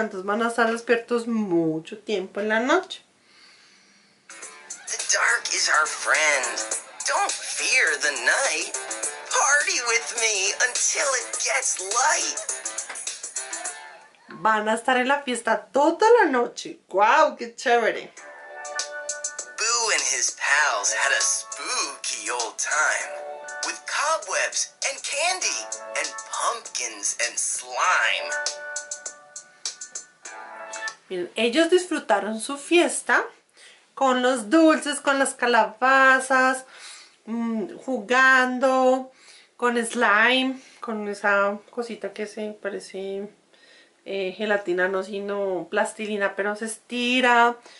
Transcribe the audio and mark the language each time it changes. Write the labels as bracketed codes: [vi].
[es] Entonces van a estar despiertos mucho tiempo en la noche. [en] The dark is our friend. Don't fear the night. Party with me until it gets light. [es] Van a estar en la fiesta toda la noche. Wow, qué chévere. [en] Boo and his pals had a spooky old time. With cobwebs and candy and pumpkins and slime. [es] Bien, ellos disfrutaron su fiesta con los dulces, con las calabazas, jugando con slime, con esa cosita que se parece gelatina, no sino plastilina, pero se estira.